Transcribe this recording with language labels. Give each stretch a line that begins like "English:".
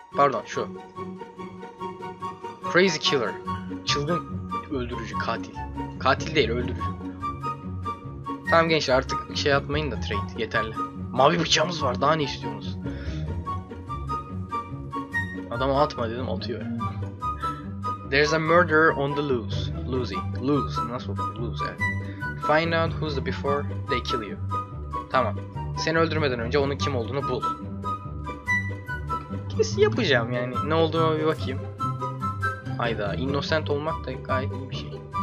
Turkish: Pardon, şu. Crazy Killer. Çılgın öldürücü, katil. Katil değil, öldürücü. Tamam gençler, artık şey yapmayın da trade, yeterli. Mavi bıçağımız var, daha ne istiyorsunuz? Adama atma dedim, atıyor.
English: There's a murderer on the loose.
Turkish: Loosey. Loose. Nasıl olur? Loose, evet.
English: Find out who's the before they kill you.
Turkish: Tamam. Seni öldürmeden önce onun kim olduğunu bul. Kesin yapacağım yani. Ne olduğuna bir bakayım. Hayda. Innocent olmak da gayet iyi bir şey.